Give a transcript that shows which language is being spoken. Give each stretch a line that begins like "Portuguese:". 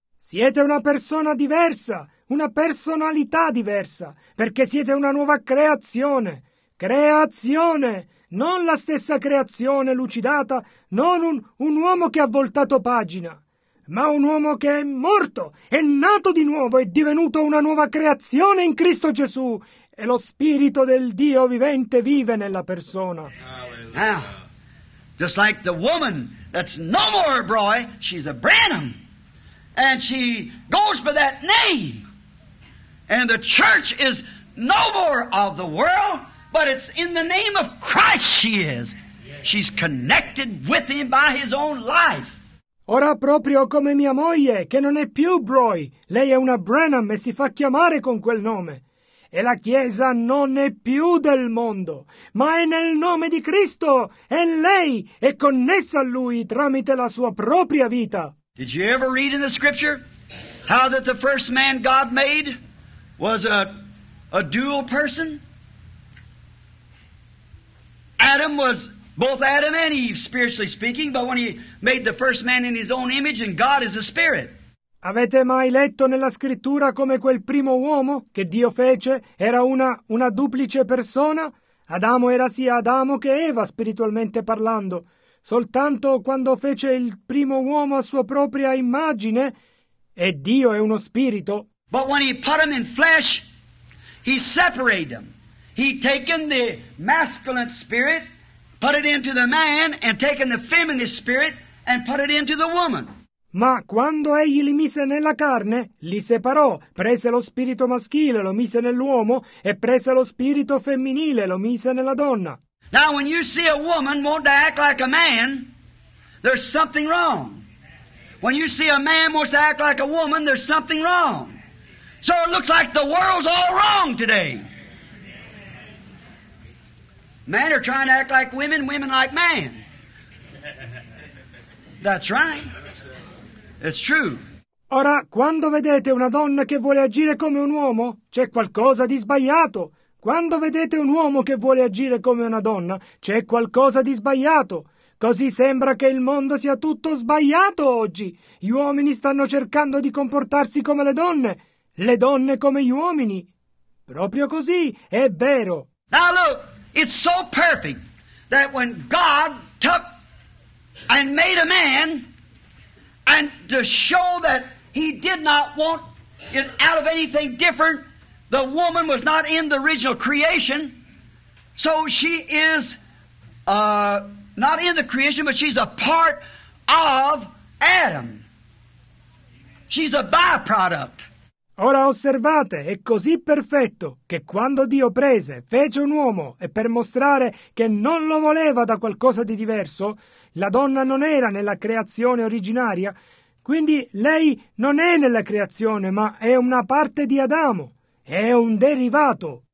Italian: Siete una persona diversa, una personalità diversa, perché siete una nuova creazione. Creazione! Non la stessa creazione lucidata, non un uomo che ha voltato pagina, ma un uomo che è morto, è nato di nuovo, è divenuto una nuova creazione in Cristo Gesù, e lo Spirito del Dio vivente vive nella persona.
English: Now, just like the woman that's no more a boy, she's a Branham, and she goes by that name, and the church is no more of the world, but it's in the name of Christ she is. She's connected with him by his own life.
Italian: Ora proprio come mia moglie, che non è più Broy, lei è una Branham e si fa chiamare con quel nome. E la Chiesa non è più del mondo, ma è nel nome di Cristo e lei è connessa a lui tramite la sua propria vita.
English: Did you ever read in the scripture how that the first man God made was a dual person? Adam was both Adam and Eve, spiritually speaking, but when he made the first man in his own image, and God is a spirit.
Italian: Avete mai letto nella scrittura come quel primo uomo che Dio fece era una duplice persona? Adamo era sia Adamo che Eva, spiritualmente parlando. Soltanto quando fece il primo uomo a sua propria immagine, e Dio è uno spirito.
English: But when he put him in flesh, he separated them. He taken the masculine spirit, put it into the man, and taken the feminine spirit, and put it into the woman.
Italian: Ma quando egli li mise nella carne, li separò, prese lo spirito maschile, lo mise nell'uomo, e prese lo spirito femminile, lo mise nella donna.
English: Now when you see a woman want to act like a man, there's something wrong. When you see a man wants to act like a woman, there's something wrong. So it looks like the world's all wrong today. Men are trying to act like women, women like man. That's right. It's true.
Italian: Ora, quando vedete una donna che vuole agire come un uomo, c'è qualcosa di sbagliato. Quando vedete un uomo che vuole agire come una donna, c'è qualcosa di sbagliato. Così sembra che il mondo sia tutto sbagliato oggi. Gli uomini stanno cercando di comportarsi come le donne come gli uomini. Proprio così, è vero.
English: Now look. It's so perfect that when God took and made a man, and to show that he did not want it out of anything different, the woman was not in the original creation, so she is not in the creation, but she's a part of Adam. She's a byproduct.
Italian: Ora osservate, è così perfetto che quando Dio prese, fece un uomo e per mostrare che non lo voleva da qualcosa di diverso, la donna non era nella creazione originaria, quindi lei non è nella creazione, ma è una parte di Adamo, è un derivato.